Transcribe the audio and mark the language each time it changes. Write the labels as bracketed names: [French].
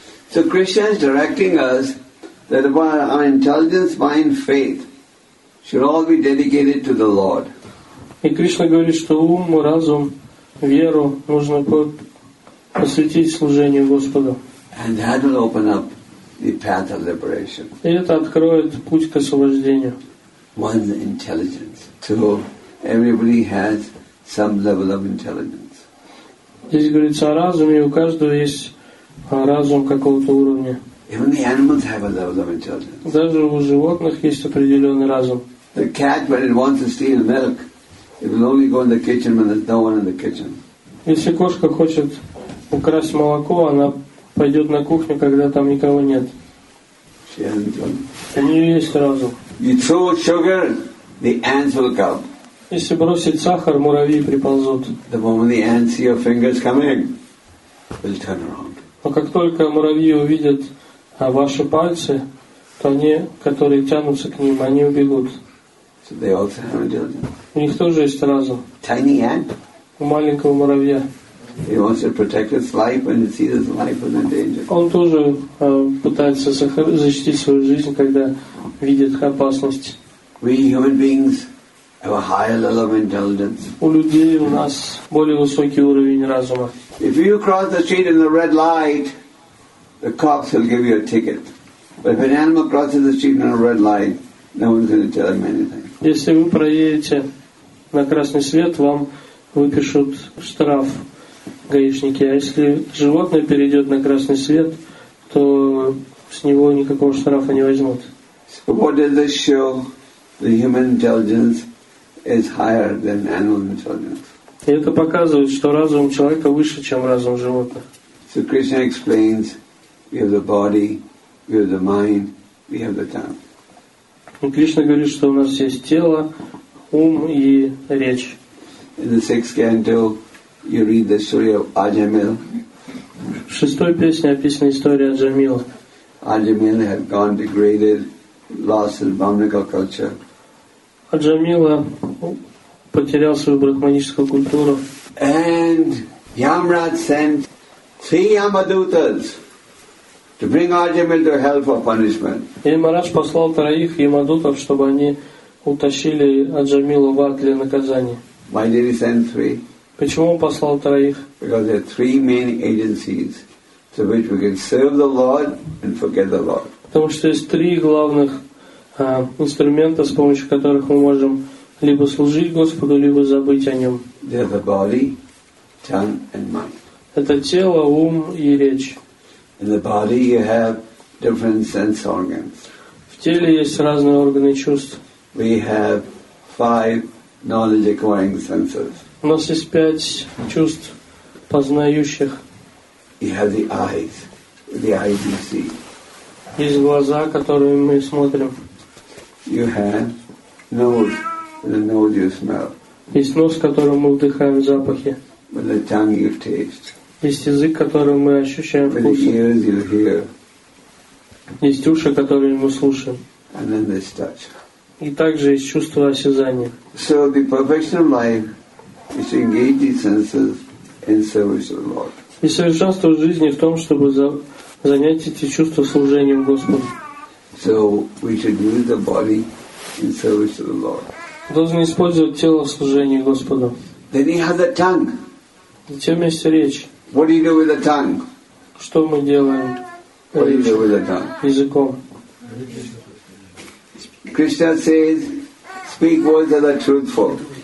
[English] So Krishna is directing us that our intelligence, mind, faith should all be dedicated to the Lord. [Russian] И Кришна говорит, что ум, разум, веру нужно посвятить служению Господу. [English] And that will open up the path of liberation. [Russian] И это откроет путь к освобождению. [English] One's intelligence. So everybody has some level of intelligence. [Russian] Здесь говорится о разуме, и у каждого есть разум какого-то уровня. [English] Even the animals have a level of intelligence. [Russian] Даже у животных есть определенный разум. [English] The cat, when it wants to steal milk, it will only go in the kitchen when there's no one in the kitchen. [Russian] Если кошка хочет украсть молоко, она пойдет на кухню, когда там никого нет. У нее есть разум. [English] You throw sugar, the ants will come. [Russian] Если бросить сахар, муравьи приползут. [English] The moment the ants see your fingers coming, they'll turn around. [Russian] Но как только муравьи увидят ваши пальцы, то они, которые тянутся к ним, они убегут. [English] So they also have intelligence. [Russian] У них тоже есть разум. [English] Tiny ant. [Russian] У маленького муравья. [English] He wants to protect his life when he sees his life is in danger. [Russian] Он тоже пытается защитить свою жизнь, когда видит опасность. [English] We human beings have a higher level of intelligence. [Russian] У людей у нас более высокий уровень разума. [English] If you cross the street in the red light, the cops will give you a ticket. But if an animal crosses the street in a red light, no one's going to tell him anything. [Russian] Если вы проедете на красный свет, вам выпишут штраф гаишники. А если животное перейдет на красный свет, то с него никакого штрафа не возьмут. [English] So what does this show? The human intelligence is higher than animal intelligence. [Russian] И это показывает, что разум человека выше, чем разум животных. [English] So Krishna explains, we have the body, we have the mind, we have the tongue. [Russian] И Кришна говорит, что у нас есть тело, ум и речь. [English] In the sixth canto, you read the story of Ajamil. [Russian] В шестой песне описана история Аджамила. [English] Ajamil had gone degraded, lost his brahmanical culture. [Russian] Аджамила потерял свою брахманическую культуру. [English] And Yamraj sent 3 Yamadutas to bring Ajamil to hell for punishment. [Russian] Ямарадж послал 3 Ямадутов, чтобы они утащили Аджамилу в ад для наказания. [English] Why did he send 3? [Russian] Почему он послал 3? [English] Because there are 3 main agencies through which we can serve the Lord and forget the Lord. [Russian] Потому что есть 3 главных инструмента, с помощью которых мы можем либо служить Господу, либо забыть о Нем. [English] They're the body, tongue and mind. [Russian] Это тело, ум и речь. [English] In the body you have different sense organs. [Russian] В теле есть разные органы чувств. [English] We have 5 knowledge-acquiring senses. [Russian] У нас есть 5 чувств познающих. [English] You have the eyes you see. [Russian] Есть глаза, которыми мы смотрим. [English] You have nose, the nose you smell. [Russian] Есть нос, которым мы вдыхаем запахи. [English] With the tongue you taste. [Russian] Есть язык, которым мы ощущаем вкус. [English] With the ears you hear. [Russian] Есть уши, которыми мы слушаем. [English] And then there's touch. [Russian] И также есть чувство осязания. [English] So the perfection of life is to engage these senses in service of the Lord. [Russian] И совершенство жизни в том, чтобы занять эти чувства служением Господу. [English] So we should use the body in service of the Lord. [Russian] Должны использовать тело в служении Господу. [English] Then he has a tongue. [Russian] Затем есть речь. [English] What do you do with the tongue? [Russian] Что мы делаем? [English] What do you do with the tongue? [Russian] Языком. [English] Krishna says, speak words that are truthful.